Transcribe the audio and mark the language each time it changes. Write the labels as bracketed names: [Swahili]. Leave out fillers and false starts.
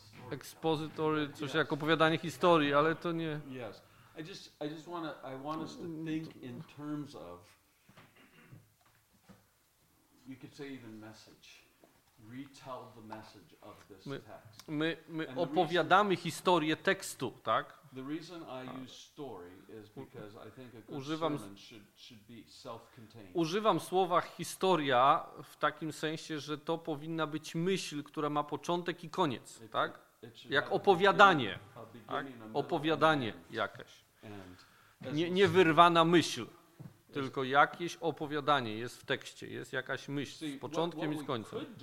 [Polish] Expository, coś jak opowiadanie historii, ale to nie. [English] Yes. I just want us to think in terms of. You could say even message. Retell the message of this text. [Polish] My opowiadamy historię tekstu, tak? [English] The reason I use story is because I think a good sermon should be self-contained. [Polish] Używam słowa historia w takim sensie, że to powinna być myśl, która ma początek i koniec, tak? Jak opowiadanie, tak? Opowiadanie jakieś. Nie wyrwana myśl. Tylko jakieś opowiadanie jest w tekście, jest jakaś myśl z początkiem i z końcem.